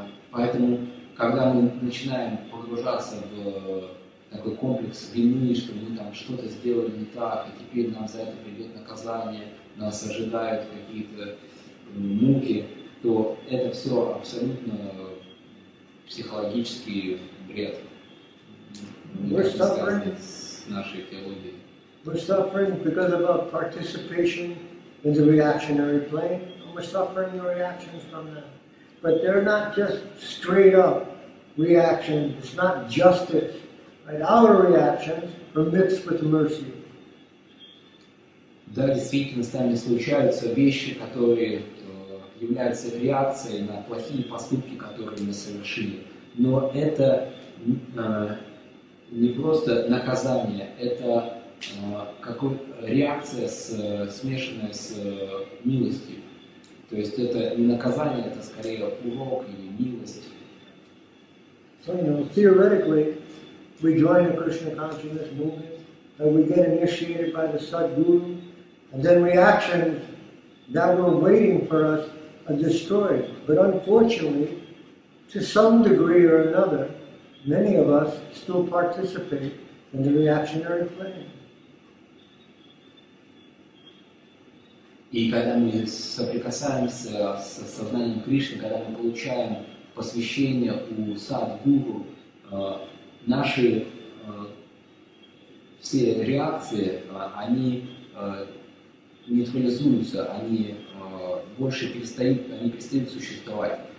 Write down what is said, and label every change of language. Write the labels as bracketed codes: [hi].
[ru] Поэтому, когда мы начинаем погружаться в такой комплекс вины, что мы там что-то сделали не так, и теперь нам за это придет наказание, нас ожидают какие-то муки, то это все абсолютно психологический бред. [en] We're suffering. [ru] Нашей теологии. [en] We're suffering because of our participation in the reactionary plane. And we're suffering the reactions from them. But they're not just straight up reactions. It's not justice. Right? Our reactions are mixed with mercy. [ru] Да, действительно, с нами случаются вещи, которые являются реакцией на плохие поступки, которые мы совершили. Но это не просто наказание, это какой реакция смешанная с милостью. То есть это не наказание, это скорее урок или милость. [en] So, you know, theoretically, we join the Krishna consciousness movement, and we get initiated by the Sadguru, and then reactions that were waiting for us are destroyed. But unfortunately, to some degree or another, many of us still participate in the reactionary plane. [ru] И когда мы соприкасаемся с сознанием Кришны, когда мы получаем посвящение у Садгуру, наши все реакции, они нейтрализуются, они больше перестают, они перестают существовать.